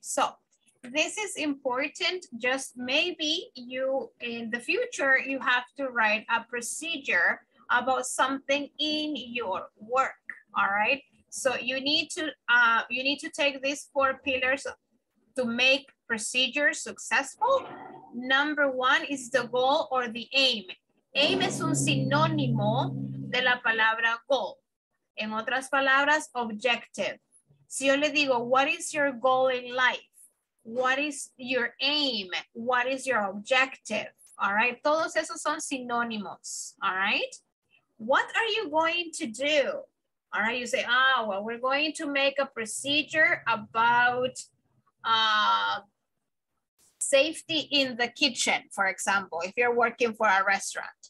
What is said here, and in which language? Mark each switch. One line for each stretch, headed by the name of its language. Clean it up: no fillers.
English: So this is important. Just maybe you in the future, you have to write a procedure about something in your work, all right? So you need to take these four pillars to make procedures successful. Number one is the goal or the aim.
Spanish: Aim es un sinónimo de la palabra goal. En otras palabras, objective. Si yo le digo,
English: what is your goal in life? What is your aim? What is your objective? All right,
Spanish: todos esos son sinónimos,
English: all right? What are you going to do? All right, you say, ah, well, we're going to make a procedure about safety in the kitchen, for example, if you're working for a restaurant.